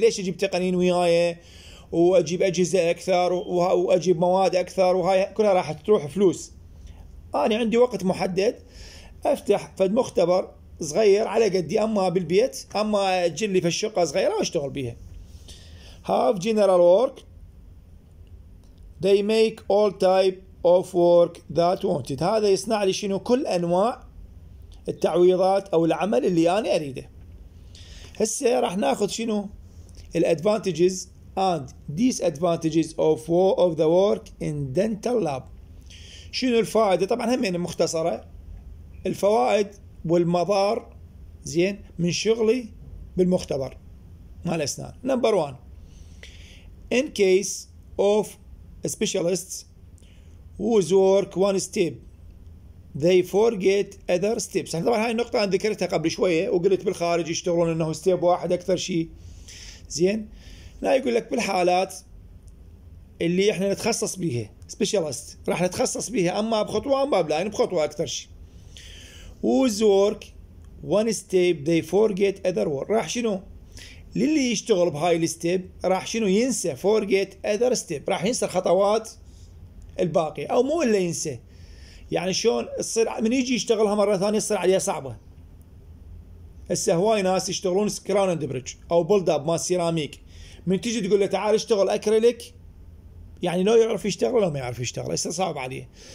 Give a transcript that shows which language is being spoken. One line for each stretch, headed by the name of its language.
Arabic: ليش اجيب تقنيين وياي واجيب اجهزه اكثر واجيب مواد اكثر؟ وهاي كلها راح تروح فلوس. انا عندي وقت محدد افتح فد مختبر صغير على قدي، اما بالبيت اما اجل لي فالشقه صغيره واشتغل بيها.
English: Have general work. They make all type of work that wanted.
Arabic: هذا يصنع لي شنو؟ كل أنواع التعويضات أو العمل اللي أنا أريده. هسه راح نأخذ شنو الأدفانتجز
English: and disadvantages of the work in dental lab.
Arabic: شنو الفائدة؟ طبعا همين مختصرة الفوائد والمضار زين من شغلي بالمختبر مال أسنان.
English: Number one, in case of a specialist whose work one step they forget other steps.
Arabic: طبعا هاي النقطة أنا ذكرتها قبل شوية وقلت بالخارج يشتغلون إنه step واحد أكثر شيء زين. لا يقول لك بالحالات اللي احنا نتخصص بيها specialist راح نتخصص بيها اما بخطوة اما بلا يعني بخطوة اكثر شيء.
English: whose work one step they forget other work.
Arabic: راح شنو للي يشتغل بهاي الستيب راح شنو ينسى
English: forget other step
Arabic: راح ينسى الخطوات الباقية او مو اللي ينسى يعني شون الصير من يجي يشتغلها مرة ثانية يصير عليها صعبة. هسه هواي ناس يشتغلون سكران اند بريدج او بولد اب ما سيراميك من تيجي تقول له تعال اشتغل اكريليك يعني لو يعرف يشتغل ولا ما يعرف يشتغل هسه صعب عليه.